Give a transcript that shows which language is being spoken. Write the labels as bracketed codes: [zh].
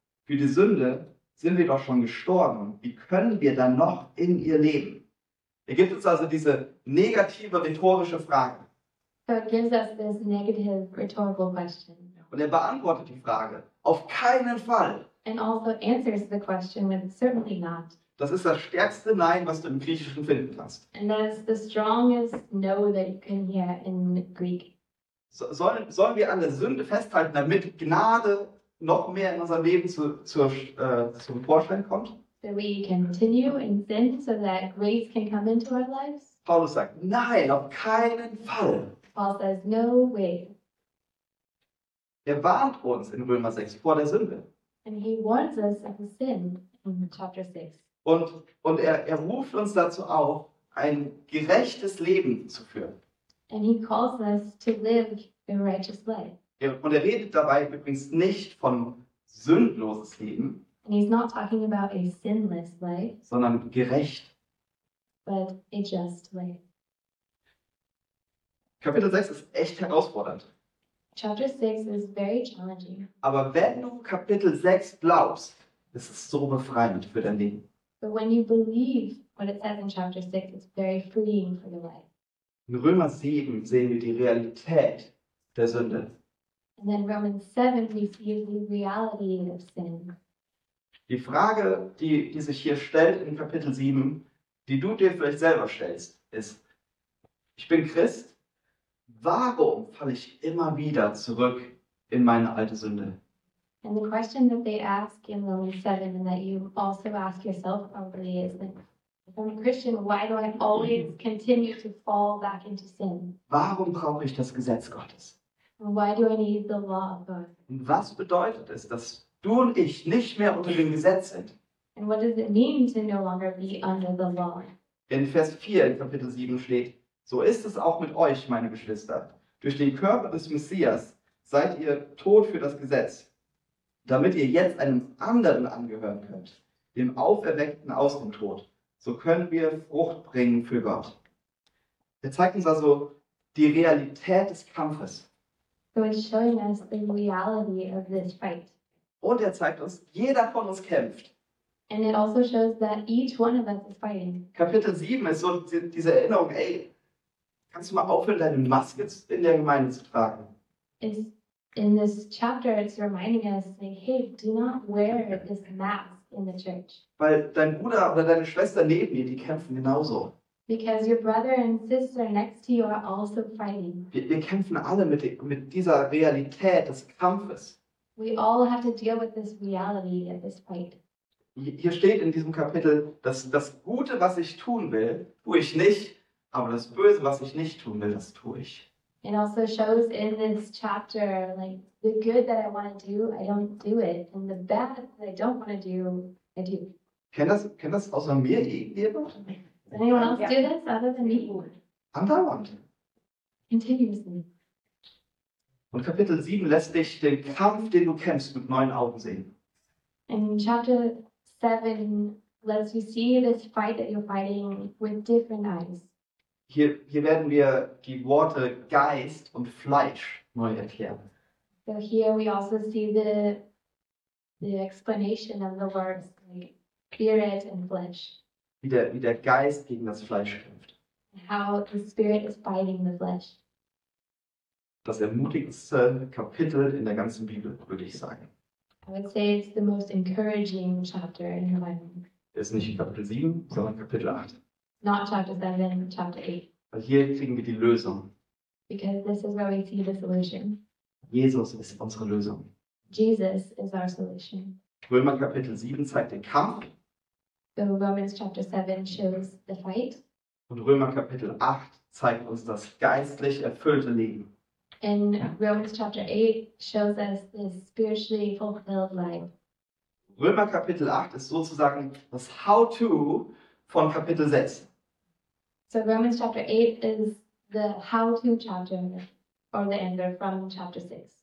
[de] Für die Sünde sind wir doch schon gestorben. Wie können wir dann noch in ihr leben? Er gibt uns also diese negative rhetorische Frage. [en] So it gives us this negative rhetorical question. [de] Und er beantwortet die Frage, auf keinen Fall. [en] And also answers the question with certainly not. [de] Das ist das stärkste Nein, was du im Griechischen finden kannst. [en] And that's the strongest no that you can hear in Greek. [de] Sollen wir an der Sünde festhalten, damit Gnade noch mehr in unser Leben zum Vorschein kommt? [en] That we continue in sin so that grace can come into our lives? [de] Paulus sagt, nein, auf keinen Fall. [en] Paul says, no way. [de] Er warnt uns in Römer 6 vor der Sünde. [en] And he warns us of sin in chapter 6. [de] Und er ruft uns dazu auf, ein gerechtes Leben zu führen. [en] And he calls us to live a righteous life. [de] Und er redet dabei übrigens nicht von sündloses Leben. [en] And he's not talking about a sinless way, [de] sondern gerecht. [en] But a just way. [de] Kapitel 6 ist echt herausfordernd. [en] Chapter 6 is very challenging. [de] Aber wenn du Kapitel 6 glaubst, ist es so befreiend für dein Leben. [en] But when you believe what it says in chapter 6, it's very freeing for your life. [de] In Römer 7 sehen wir die Realität der Sünde. [en] And then Romans 7 we see the reality of sin. [de] Die Frage, die sich hier stellt in Kapitel 7, die du dir vielleicht selber stellst, ist, ich bin Christ, warum falle ich immer wieder zurück in meine alte Sünde? [en] And the question that they ask in Romans 7 and that you also ask yourself probably is, If I'm a Christian, why do I always continue to fall back into sin? [de] Warum brauche ich das Gesetz Gottes? [en] Why do I need the law of God? [de] Und was bedeutet es, dass du und ich nicht mehr unter dem Gesetz sind? [en] And what does it mean to no longer be under the law? [de] In Vers 4 in Kapitel 7 steht, so ist es auch mit euch, meine Geschwister. Durch den Körper des Messias seid ihr tot für das Gesetz, damit ihr jetzt einem anderen angehören könnt, dem Auferweckten aus dem Tod. So können wir Frucht bringen für Gott. Er zeigt uns also die Realität des Kampfes. [en] So it's showing us the reality of this fight. [de] Und er zeigt uns, jeder von uns kämpft. [en] And it also shows that each one of us is fighting. [de] Kapitel 7 ist so diese Erinnerung, ey, kannst du mal aufhören, deine Maske in der Gemeinde zu tragen? [en] It's, in this chapter, it's reminding us, like, hey, do not wear this mask in the church. [de] Weil dein Bruder oder deine Schwester neben dir, die kämpfen genauso. [en] Because your brother and sister next to you are also fighting. [de] Wir kämpfen alle mit dieser Realität des Kampfes. [en] We all have to deal with this reality of this fight. [de] Hier steht in diesem Kapitel, dass das Gute, was ich tun will, tue ich nicht, aber das Böse, was ich nicht tun will, das tue ich. [en] It also shows in this chapter, like, the good that I want to do, I don't do it. And the bad that I don't want to do, I do. [de] Kennt das außer mir irgendjemand? [en] Does anyone else do this other than me? [de] Andauernd. [en] Continuously. [de] Und Kapitel 7 lässt dich den Kampf, den du kämpfst, mit neuen Augen sehen. [en] In Chapter 7 lets you see this fight that you're fighting with different eyes. [de] Hier werden wir die Worte Geist und Fleisch neu erklären. [en] So here we also see the explanation of the words spirit and flesh. [de] Wie der Geist gegen das Fleisch kämpft. [en] How the spirit is fighting the flesh. [de] Das ermutigendste Kapitel in der ganzen Bibel, würde ich sagen. [en] I would say it's the most encouraging chapter in the Bible. [de] Es ist nicht Kapitel 7, sondern Kapitel 8. [en] Not chapter 7, chapter 8. [de] Also hier kriegen wir die Lösung. [en] Because this is where we see the solution. [de] Jesus ist unsere Lösung. [en] Jesus is our solution. [de] Römer Kapitel 7 zeigt den Kampf. [en] So Romans chapter 7 shows the fight. [de] Und Römer Kapitel 8 zeigt uns das geistlich erfüllte Leben. [en] And Romans chapter 8 shows us this spiritually fulfilled life. [de] Römer Kapitel 8 ist sozusagen das How-To von Kapitel 6. [en] So Romans chapter 8 is the How-To chapter or the answer from chapter 6.